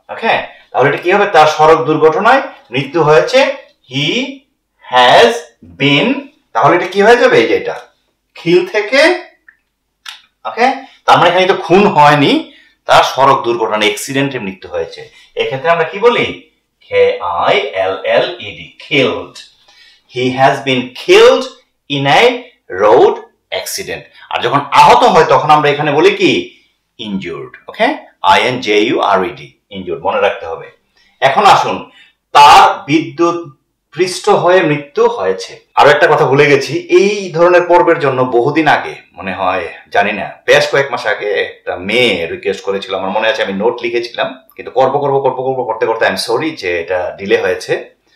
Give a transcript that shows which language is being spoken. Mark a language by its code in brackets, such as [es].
[bn] ওকে, তাহলে এটা কি হবে, তার সড়ক দুর্ঘটনায় মৃত্যু হয়েছে, [en] he has been, [bn] তাহলে এটা কি হয়ে যাবে, এই যে এটা খিল থেকে। ওকে, তার মানে এখানে তো খুন হয়নি, তার সড়ক দুর্ঘটনা, এক্সিডেন্টে মৃত্যু হয়েছে। এক্ষেত্রে আমরা কি বলি, [en] KILLED, killed, he has been killed in a road accident. [bn] আর যখন আহত হয় তখন আমরা এখানে বলি কি, injured. ওকে, INJURED, injured, মনে রাখতে হবে। এখন আসুন, তার বিদ্যুৎ পৃষ্ঠ হয়ে মৃত্যু হয়েছে। আরো একটা কথা ভুলে গেছি, এই ধরনের পর্বের জন্য বহুদিন আগে, মনে হয় জানি না, বেশ কয়েক মাস আগে একটা মেয়ে রিকোয়েস্ট করেছিল, আমার মনে আছে, আমি নোট লিখেছিলাম, কিন্তু করব করব করব করব করতে করতে [en] I am sorry [bn] যে এটা ডিলে হয়েছে।